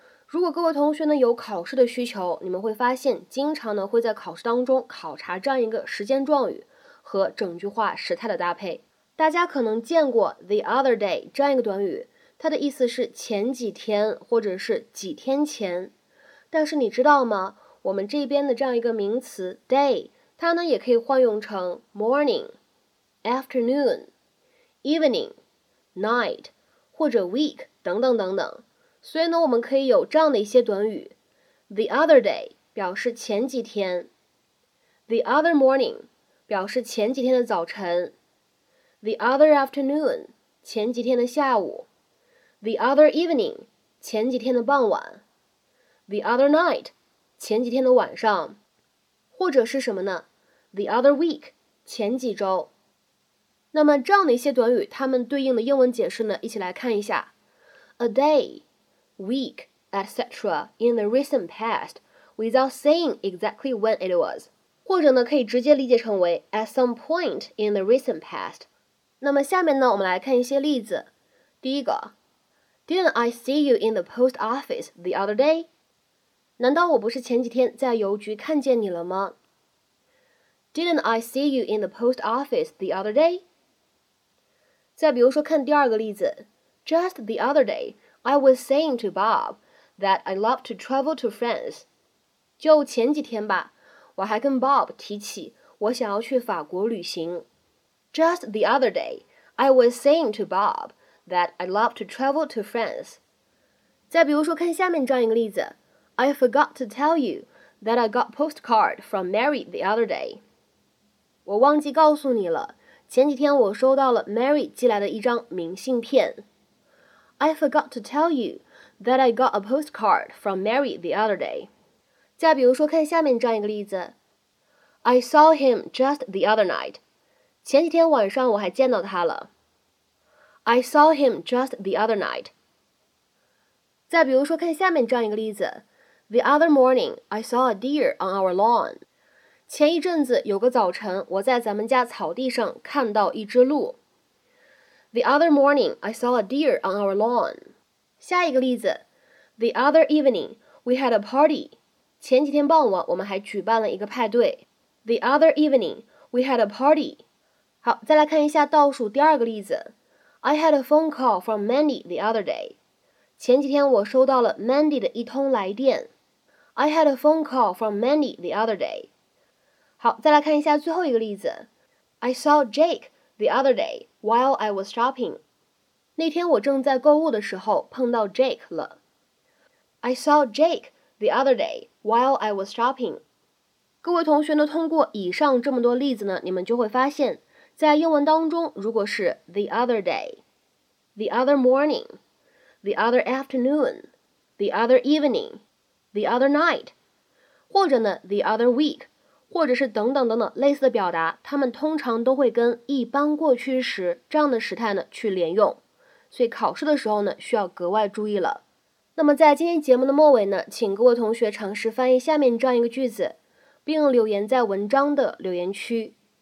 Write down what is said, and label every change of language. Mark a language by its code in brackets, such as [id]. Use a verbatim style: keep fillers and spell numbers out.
[zh] 如果各位同学呢有考试的需求，你们会发现经常呢会在考试当中考察这样一个时间状语和整句话时态的搭配。大家可能见过 the other day 这样一个短语，它的意思是前几天或者是几天前，但是你知道吗，我们这边的这样一个名词 day 它呢也可以换用成 morning [en] afternoon, evening, night 或者 week 等等等等。 [zh] 所以呢，我们可以有这样的一些短语 ：the other day 表示前几天 ，the other morning 表示前几天的早晨 ，the other afternoon 前几天的下午 ，the other evening 前几天的傍晚 ，the other night 前几天的晚上，或者是什么呢 ？the other week 前几周。那么这样的一些短语，它们对应的英文解释呢，一起来看一下 ：a day。 [en] Week, et cetera in the recent past, without saying exactly when it was. [zh] 或者呢，可以直接理解成为 [en] at some point in the recent past. [zh] 那么下面呢，我们来看一些例子。第一个 [en] ，Didn't I see you in the post office the other day? [zh] 难道我不是前几天在邮局看见你了吗 [en] ？Didn't I see you in the post office the other day? [zh] 再比如说，看第二个例子 ， [en] Just the other day. I was saying to Bob that I love to travel to France. [zh] 就前几天吧，我还跟 Bob 提起我想要去法国旅行。 [en] Just the other day, I was saying to Bob that I love to travel to France. [zh] 再比如说，看下面这样一个例子 [en] ：I forgot to tell you that I got postcard from Mary the other day. [zh] 我忘记告诉你了，前几天我收到了 Mary 寄来的一张明信片。 [en] I forgot to tell you that I got a postcard from Mary the other day. [zh] 再比如说，看下面这样一个例子 ： [en] I saw him just the other night. [zh] 前几天晚上我还见到他了。 [en] I saw him just the other night. [zh] 再比如说，看下面这样一个例子 [en] ：The other morning, I saw a deer on our lawn. [zh] 前一阵子有个早晨，我在咱们家草地上看到一只鹿。 [en] The other morning, I saw a deer on our lawn. [zh] 下一个例子 [en] ，The other evening, we had a party. [zh] 前几天傍晚，我们还举办了一个派对。 [en] The other evening, we had a party. [zh] 好，再来看一下倒数第二个例子 [en] ，I had a phone call from Mandy the other day. [zh] 前几天我收到了 Mandy 的一通来电。 [en] I had a phone call from Mandy the other day. [zh] 好，再来看一下最后一个例子 [en] ，I saw Jake the other day. While I was shopping, [zh] 那天我正在购物的时候碰到 Jake 了。 [en] I saw Jake the other day while I was shopping. [zh] 各位同学呢，通过以上这么多例子呢，你们就会发现，在英文当中，如果是 [en] the other day, the other morning, the other afternoon, the other evening, the other night, 或者呢 the other week。 [zh] 或者是等等等等类似的表达，它们通常都会跟一般过去时这样的时态呢去连用，所以考试的时候呢需要格外注意了。那么在今天节目的末尾呢，请各位同学尝试翻译下面这样一个句子，并留言在文章的留言区。